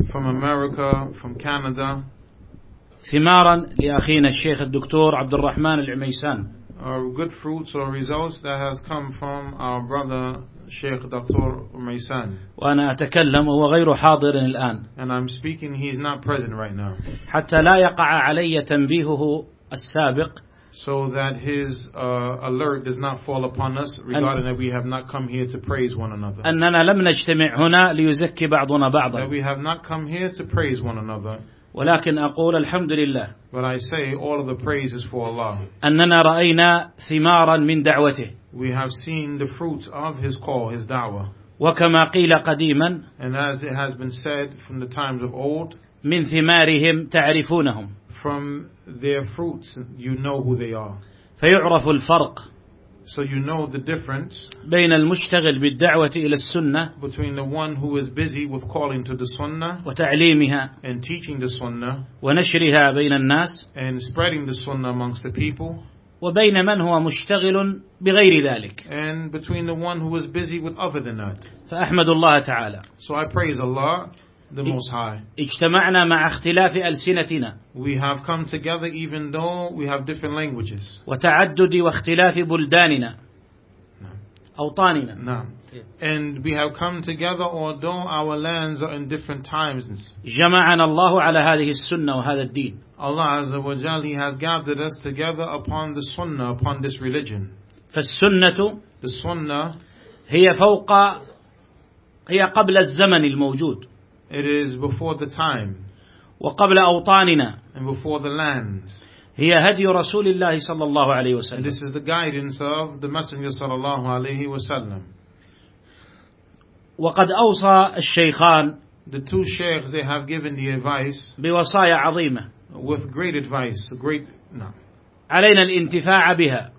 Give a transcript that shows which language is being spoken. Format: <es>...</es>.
<en>from America, from Canada</en> <ar>ثمارا لأخينا الشيخ الدكتور عبد الرحمن العميسان</ar> <en>good fruits or results that has come from our brother Sheikh Dr. Umaysan.</en> <ar>وأنا أتكلم وهو غير حاضر الآن.</ar> <en>And I'm speaking, he's not present right now.</en> <ar>حتى لا يقع علي تنبيهه السابق.</ar> <en>So that his alert does not fall upon us regarding that we have not come here to praise one another.</en> <ar>أننا لم نجتمع هنا ليزكي بعضنا بعضا.</ar> <en>That we have not come here to praise one another.</en> <ar>ولكن أقول الحمد لله.</ar> <en>But I say all of the praise is for Allah.</en> <ar>أننا رأينا ثمارا من دعوته.</ar> <en>We have seen the fruits of his call, his da'wah.</en> <ar>وكما قيل قديما.</ar> <en>And as it has been said from the times of old.</en> <ar>من ثمارهم تعرفونهم.</ar> <en>From their fruits, you know who they are.</en> <ar>فيعرف الفرق.</ar> <en>So you know the difference.</en> <ar>بين المشتغل بالدعوة إلى السنة.</ar> <en>Between the one who is busy with calling to the sunnah.</en> <ar>وتعليمها.</ar> <en>And teaching the sunnah.</en> <ar>ونشرها بين الناس.</ar> <en>And spreading the sunnah amongst the people.</en> <ar>وبين من هو مشتغل بغير ذلك.</ar> <en>And between the one who is busy with other than that.</en> <ar>فأحمد الله تعالى.</ar> <en>So I praise Allah. The Most High.</en> <ar>اجتمعنا مع اختلاف ألسنتنا.</ar> <en>We have come together even though we have different languages.</en> <ar>وتعدد واختلاف بلداننا. أوطاننا.</ar> <en>And we have come together although our lands are in different times.</en> <ar>جمعنا الله على هذه السنة وهذا الدين.</ar> <en>Allah Azza wa Jal, He has gathered us together upon the Sunnah, upon this religion.</en> <ar>فالسنة.</ar> <en>The Sunnah.</en> <ar>هي فوق. هي قبل الزمن الموجود.</ar> <en>It is before the time.</en> <ar>وقبل أوطاننا.</ar> <en>And before the lands.</en> <ar>هي هدي رسول الله صلى الله عليه وسلم.</ar> <en>And this is the guidance of the Messenger</en> <ar>صلى الله عليه وسلم. وقد أوصى الشيخان.</ar> <en>The two sheikhs, they have given the advice.</en> <ar>بوصايا عظيمة.</ar> <en>With great advice. Great. No.</en> <ar>علينا الانتفاع بها.</ar>